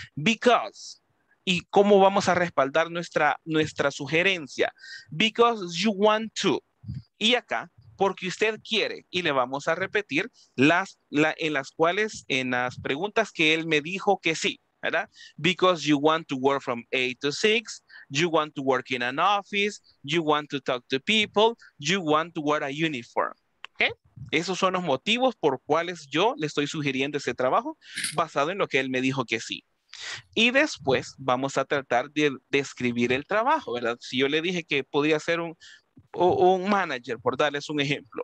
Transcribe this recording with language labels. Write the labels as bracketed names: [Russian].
[English] Because, [Spanish] ¿y cómo vamos a respaldar nuestra sugerencia? [English] Because you want to. [Spanish] Y acá, porque usted quiere, y le vamos a repetir en las preguntas que él me dijo que sí, ¿verdad? [English] Because you want to work from 8 to 6, you want to work in an office, you want to talk to people, you want to wear a uniform, ¿ok? [Spanish] Esos son los motivos por cuales yo le estoy sugiriendo ese trabajo basado en lo que él me dijo que sí. Y después vamos a tratar de describir el trabajo, ¿verdad? Si yo le dije que podía ser un manager, por darles un ejemplo.